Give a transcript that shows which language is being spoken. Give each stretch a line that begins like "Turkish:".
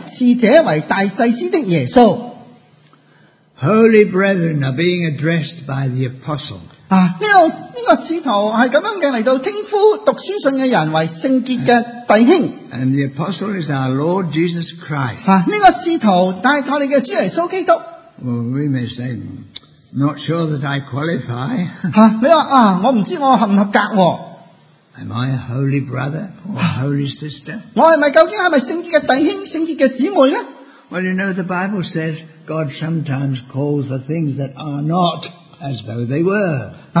Chinese: 他们说,同蒙天召的圣洁弟兄们,你们应当思想我们所认为使者为大祭司的耶稣。
English: Holy brethren are being addressed by the apostle.
Chinese: 这个使徒是这样来到称呼读书信的人为圣洁的弟兄。
English: And the apostle is our Lord Jesus Christ.
Chinese: 这个使徒带给你的主耶稣基督。
English: Well, we may say, not sure that I qualify.
Chinese: 你说,我不知道我合不合格。
English: Am I a holy brother or a holy sister?
Chinese: 我究竟是不是圣洁的弟兄,圣洁的姊妹呢?
English: Well, you know, the Bible says, God sometimes calls the things that are not as though they were.